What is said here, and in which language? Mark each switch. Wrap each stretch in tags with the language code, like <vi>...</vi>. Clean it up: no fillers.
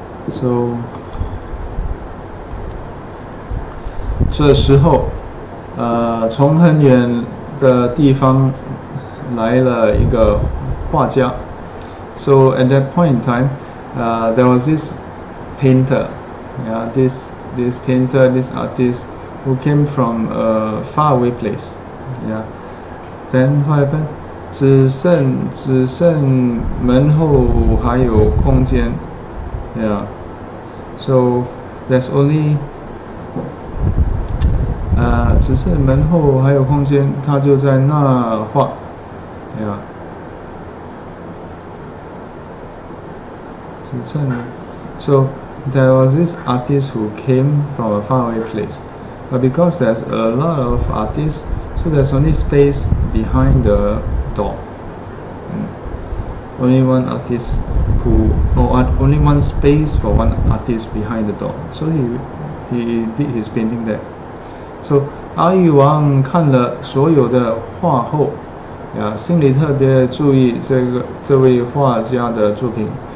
<zh>So, 这时候从很远的地方来了一个画家。</zh> <en>So at that point in time, there was this painter, yeah, this painter, this artist who came from a faraway place, yeah. Then what happened?</en> <zh>只剩门后还有空间， yeah.</zh> <en>So there's only</en> <zh>只是门后还有空间，他就在那画， yeah. 只剩</zh> <en>So there was this artist who came from a faraway place, but because there's a lot of artists, so there's only space behind the door. Only one artist who, or only one space for one artist behind the door. So he did his painting there.</en> <zh>So, 阿育王看了所有的画后，呀，心里特别注意这位画家的作品。</zh>